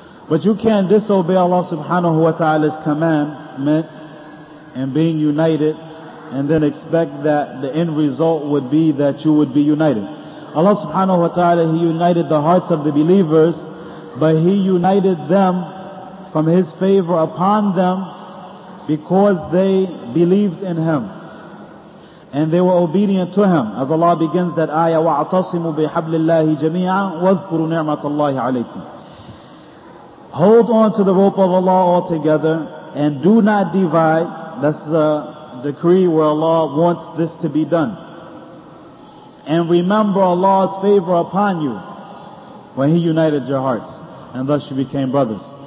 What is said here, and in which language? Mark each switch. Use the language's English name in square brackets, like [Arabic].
[English] But you can't disobey Allah subhanahu wa ta'ala's commandment and being united and then expect that the end result would be that you would be united. Allah subhanahu wa ta'ala, He united the hearts of the believers, but He united them from His favor upon them because they believed in Him and they were obedient to Him. As Allah begins that ayah, [Arabic] وَاعْتَصِمُوا بِحَبْلِ اللَّهِ جَمِيعًا وَاذْكُرُوا نِعْمَةَ اللَّهِ عَلَيْكُمْ. [English] Hold on to the rope of Allah altogether and do not divide. That's the decree where Allah wants this to be done. And remember Allah's favor upon you when He united your hearts and thus you became brothers.